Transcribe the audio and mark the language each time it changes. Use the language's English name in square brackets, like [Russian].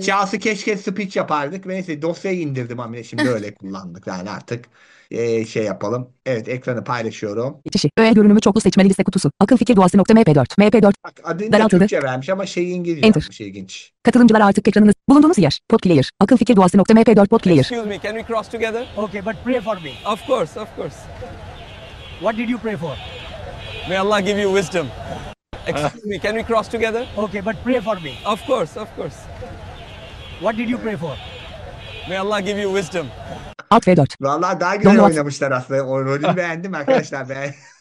[Turkish] cihazı keşke speech yapardık. Neyse, dosyayı indirdim ama şimdi izleyebilirsin. öyle kullandık yani, artık şey yapalım. Evet, ekranı paylaşıyorum. Geçişi. Öğe görünümü çoklu seçmeli liste kutusu. Akıl fikir duası nokta MP4. MP4. Bak, adını da Daraltıldı. Türkçe vermiş ama şeyi İngilizce [English] Enter. [Turkish] yapmış, ilginç. Katılımcılar artık ekranınız. Bulunduğunuz yer. Pod player. Akıl fikir duası nokta MP4 pod player. [English] Excuse me, can we cross together? Okay, but pray for me. Of course, of course. What did you pray for? May Allah give you wisdom. Ah. Excuse me, can we cross together? Okay, but pray for me. Of course, of course. What did you pray for? May Allah give you wisdom. Alt V4. [Turkish] Vallahi daha güzel [English] Download. [Turkish] oynamışlar aslında. O rolünü beğendim arkadaşlar. Ben